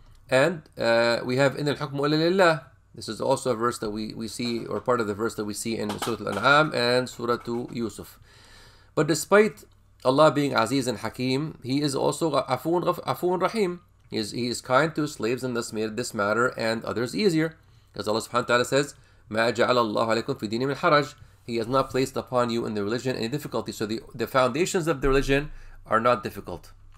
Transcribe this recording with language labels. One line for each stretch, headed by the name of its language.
English: And we have in al-hukmu illa lillah. This is also a verse that we see, or part of the verse that we see in Surah Al-An'am and Surah Yusuf. But despite Allah being Aziz and Hakim, he is also Afoon Rahim. He is kind to his slaves, and thus made this matter and others easier. As Allah subhanahu wa ta'ala says,
Arabic: مَا جَعَلَ اللَّهُ عَلَيْكُمْ فِي دِينِ مِنْ حَرَجٍ.
English: He has not placed upon you in the religion any difficulty. So the foundations of the religion are not difficult.